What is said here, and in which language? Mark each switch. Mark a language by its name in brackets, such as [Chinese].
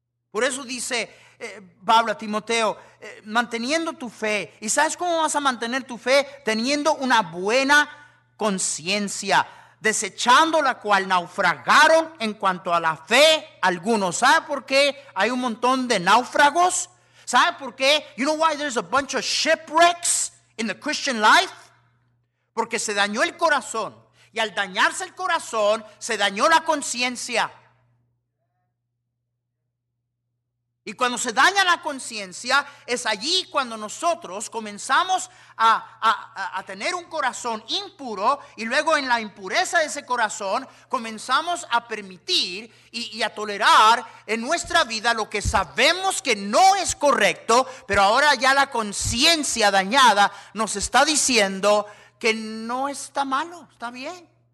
[Spanish] Por eso dice Pablo a Timoteo: manteniendo tu fe. ¿Y sabes cómo vas a mantener tu fe? Teniendo una buena conciencia. desechando la cual naufragaron en cuanto a la fe algunos. ¿Sabe por qué hay un montón de náufragos? ¿Sabe por qué? [English] You know why there's a bunch of shipwrecks in the Christian life? [Spanish] Porque se dañó el corazón. Y al dañarse el corazón, se dañó la conciencia. Y cuando se daña la conciencia, es allí cuando nosotros comenzamos a tener un corazón impuro, y luego en la impureza de ese corazón comenzamos a permitir y a tolerar en nuestra vida lo que sabemos que no es correcto, pero ahora ya la conciencia dañada nos está diciendo que no está malo, está bien.